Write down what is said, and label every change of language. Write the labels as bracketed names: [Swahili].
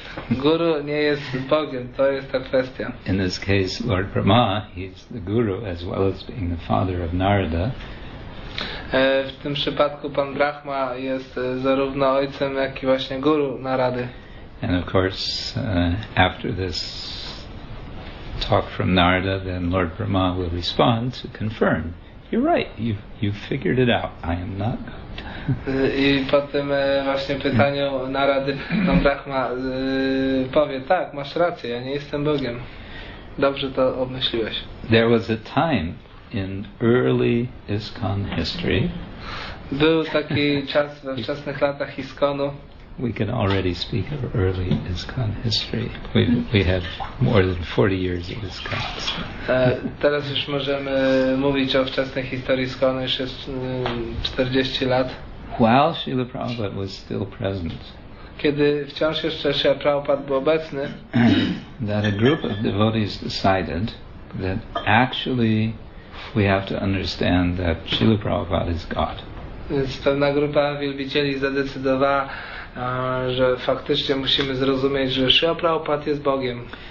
[Polish] Guru nie jest Bogiem, to jest ta kwestia. [English] In this case, Lord Brahma, he's the guru as well as being the father of Narada. [Polish] W tym przypadku Pan Brahma jest zarówno ojcem, jak i właśnie guru Narady. [English] And of course, after this talk from Narada, then Lord Brahma will respond to confirm. You're right, you figured it out. I am not God. [Polish] I po tym właśnie pytaniu Narady Pan Brahma powie, tak, masz rację, ja nie jestem Bogiem. Dobrze to obmyśliłeś. [English] There was a time in early ISKCON history. [Polish] Był taki czas we wczesnych latach ISKCONu. [English] We can already speak of early ISKCON history. We had more than 40 years of ISKCON. [Polish] Teraz już możemy mówić o wczesnej historii ISKCONu, już jest 40 lat. [English] While Śrīla Prabhupāda was still present. [Polish] Kiedy wciąż jeszcze Śrīla Prabhupāda był obecny. [English] That a group of devotees decided that actually we have to understand that Śrīla Prabhupāda is God. [Polish] Więc pewna grupa wielbicieli zadecydowała, że faktycznie musimy zrozumieć, że Śrīla Prabhupāda jest Bogiem.